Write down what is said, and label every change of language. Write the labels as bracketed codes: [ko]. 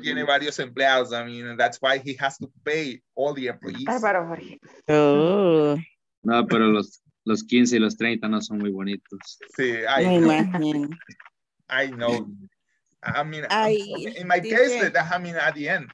[es] tiene varios empleados. [en] I mean, that's why he has to pay all the employees. [es] Bárbaro, Jorge. Oh. No, pero los 15 y los 30 no son muy bonitos. Sí, [en] I know. Imagine. I know. I mean, in my case, that, I mean, at the end.